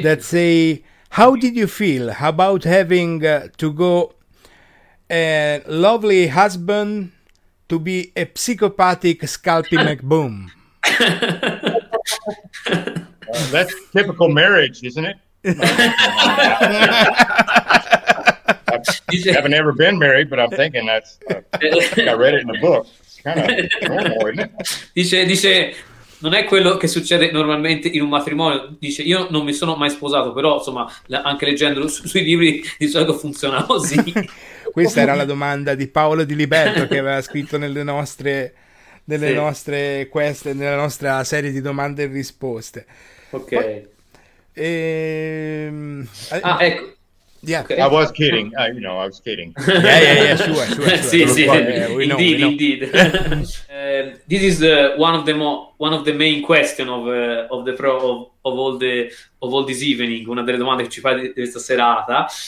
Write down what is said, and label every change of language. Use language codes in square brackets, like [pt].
[en] That say, how did you feel about having to go a lovely husband to be a psychopathic Scalpi McBoom? That's typical marriage, isn't it? I haven't ever been married, but I'm thinking I read it in a book. It's kind of normal, isn't it? [it] Dice, non è quello che succede normalmente in un matrimonio. Dice, io non mi sono mai sposato, però insomma, anche leggendolo sui libri di solito funziona così. Questa era la domanda di Paolo Di Liberto che aveva scritto nostre quest, nella nostra serie di domande e risposte. Ok. [en] Okay. I was kidding. I was kidding. Yeah, sure. Indeed. This is one of the main question of all this evening. [it] Una delle domande che ci fai di questa serata.